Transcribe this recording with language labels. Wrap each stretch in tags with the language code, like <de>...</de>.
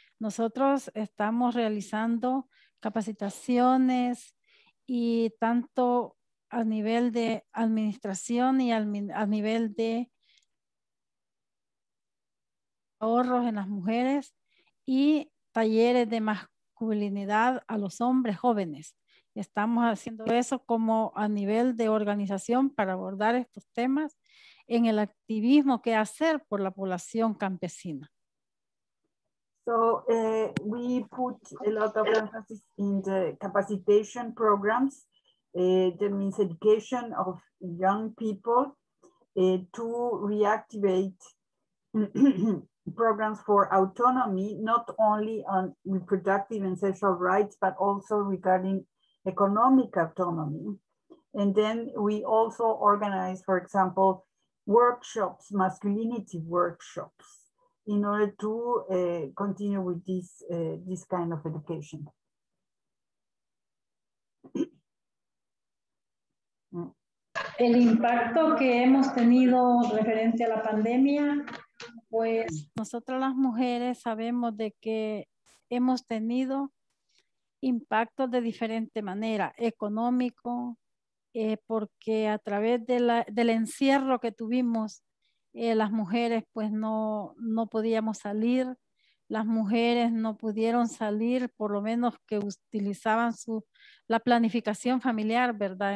<es>Nosotros estamos realizando capacitaciones y tanto a nivel de administración y a nivel de ahorros en las mujeres y talleres de masculinidad a los hombres jóvenes. Estamos haciendo eso como a nivel de organización para abordar estos temas en el activismo que hacer por la población campesina.</es> <en>So we put a lot of emphasis in the capacitation programs, that means education of young people to reactivate programs for autonomy, not only on reproductive and sexual rights, but also regarding economic autonomy. And then we also organize, for example, workshops, masculinity workshops, in order to continue with this kind of education.</en> <es>El impacto que hemos tenido referente a la pandemia, pues nosotras las mujeres sabemos de que hemos tenido impactos de diferente manera, económico, porque a través de del encierro que tuvimos, las mujeres pues no podíamos salir, las mujeres no pudieron salir, por lo menos que utilizaban la planificación familiar, ¿verdad?</es>